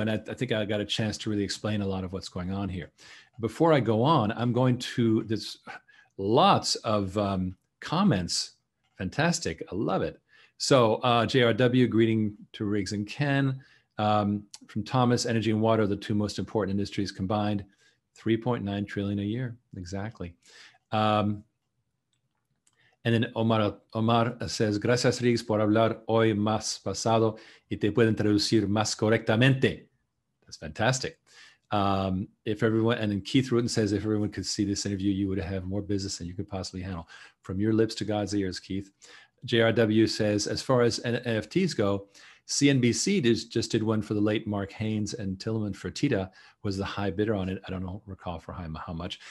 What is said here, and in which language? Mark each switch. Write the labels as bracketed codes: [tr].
[en] And I think I got a chance to really explain a lot of what's going on here. Before I go on, I'm going to this. Lots of comments. Fantastic. I love it. So JRW, greeting to Riggs and Ken. From Thomas, energy and water are the two most important industries combined. $3.9 trillion a year. Exactly. And then Omar says, [es] gracias, Riggs, por hablar hoy más pasado y te pueden traducir más correctamente. [en] That's fantastic. And then Keith Rutten says, if everyone could see this interview, you would have more business than you could possibly handle. From your lips to God's ears, Keith. JRW says, as far as NFTs go, CNBC just did one for the late Mark Haynes, and Tillman Fertitta was the high bidder on it. I don't recall for how much.